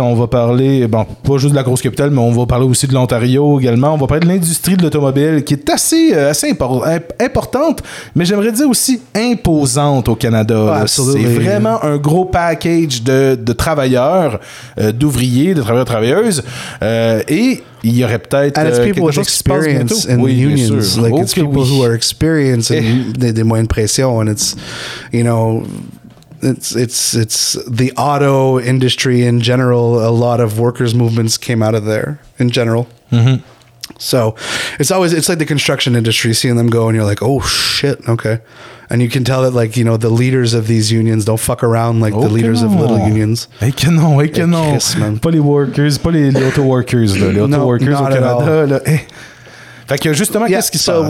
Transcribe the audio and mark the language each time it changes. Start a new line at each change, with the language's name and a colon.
French: On va parler, bon, pas juste de la grosse capitale, mais on va parler aussi de l'Ontario également. On va parler de l'industrie de l'automobile qui est assez importante, mais j'aimerais dire aussi imposante au Canada. Ah, c'est vraiment un gros package de travailleurs, d'ouvriers, de travailleurs, travailleuses. Et il y aurait peut-être quelque chose
English: experience
French: qui se passe bientôt. Oui, bien sûr.
English: Like, it's people who are experienced in
French: des moyens de pression.
English: And it's, you know, it's the auto industry in general. A lot of workers' movements came out of there in general. Mm-hmm. So it's like the construction industry, seeing them go and you're like, oh shit, okay. And you can tell that, like, you know, the leaders of these unions don't fuck around like the leaders of little unions.
French: Hey, que non, hey, que non. Christ, pas les workers, pas les auto-workers, là. Les auto-workers
English: no,
French: au Canada, là. Hey. Fait que justement, yeah, qu'est-ce qui se passe?